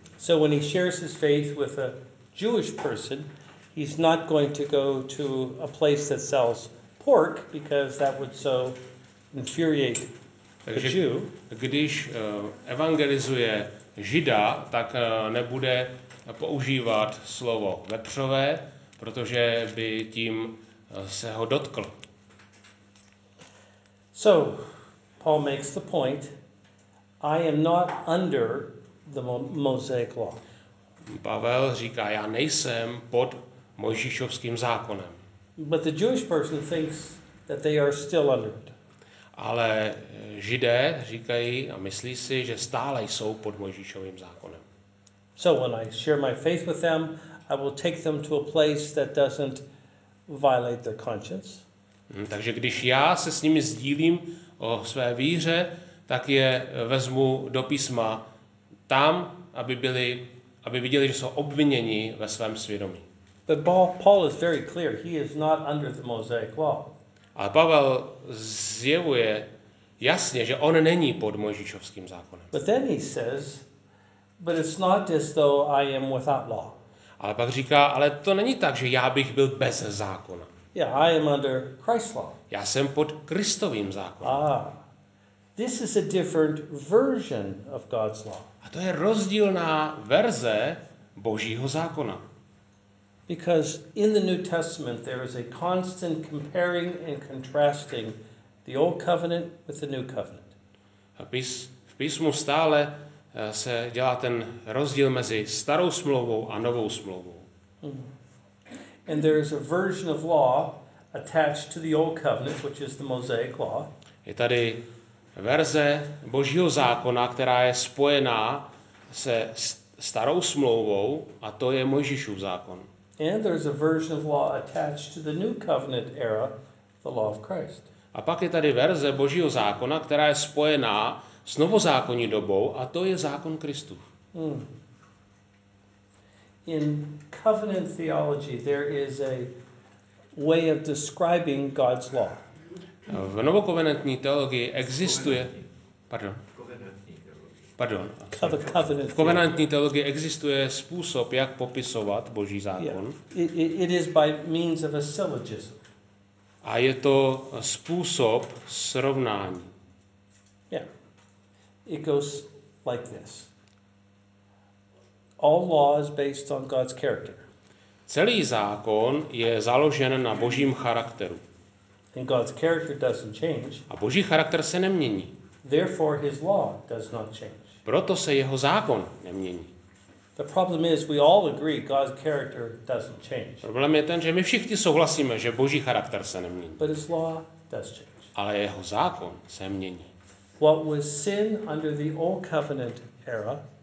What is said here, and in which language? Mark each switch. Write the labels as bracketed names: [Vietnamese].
[English] So when he shares his faith with a Jewish person, he's not going to go to a place that sells pork because that would so infuriate a Jew. [Czech] Když evangelizuje Žida, tak nebude používat slovo vepřové, protože by tím se ho dotkl. [English] So Paul makes the point, I am not under the Mosaic law. [Czech] Pavel říká, já nejsem pod Mojžíšovským zákonem. [English] But the Jewish person thinks that they are still under it. [Czech] Ale Židé říkají a myslí si, že stále jsou pod Mojžíšovým zákonem. [English] So when I share my faith with them, I will take them to a place that doesn't violate their conscience. [Czech] Takže když já se s nimi sdílím o své víře, tak je vezmu do písma tam, aby viděli, že jsou obviněni ve svém svědomí. [English] But Paul is very clear. He is not under the Mosaic law. [Czech] Ale Pavel zjevuje jasně, že on není pod Mojžíšovským zákonem. [English] But then he says, but it's not as though I am without law. [Czech] Ale pak říká, ale to není tak, že já bych byl bez zákona. [English] Yeah, I am under Christ's law. [Czech] Já jsem pod Kristovým zákonem. [English] This is a different version of God's law. [Czech] A to je rozdílná verze Božího zákona. [English] Because in the New Testament there is a constant comparing and contrasting the old covenant with the new covenant. [Czech] V písmu stále se dělá ten rozdíl mezi starou smlouvou a novou smlouvou. [English] And there is a version of law attached to the old covenant, which is the Mosaic law. [Czech] Je tady verze Božího zákona, která je spojená se starou smlouvou, a to je Mojžíšův zákon. [English] And there is a version of law attached to the new covenant era, the law of Christ. [Czech] A pak je tady verze Božího zákona, která je spojená s novozákonní dobou, a to je zákon Kristův. [English] In covenant theology, there is a way of describing God's law. [Czech] V novokovenantní teologii existuje, [English] covenant. [Czech] V covenantní teologii existuje způsob, jak popisovat Boží zákon. [English] Yeah. It is by means of a syllogism. [Czech] A je to způsob srovnání. [English] Yeah. It goes like this. All law is based on God's character. [Czech] Celý zákon je založen na Božím charakteru. [English] And God's character doesn't change. [Czech] A Boží charakter se nemění. [English] Therefore his law does not change. [Czech] Proto se jeho zákon nemění. [English] The problem is we all agree God's character doesn't change. [Czech] Problém je ten, že my všichni souhlasíme, že Boží charakter se nemění. [English] But his law does change. [Czech] Ale jeho zákon se mění. [English] What was sin under the old covenant era?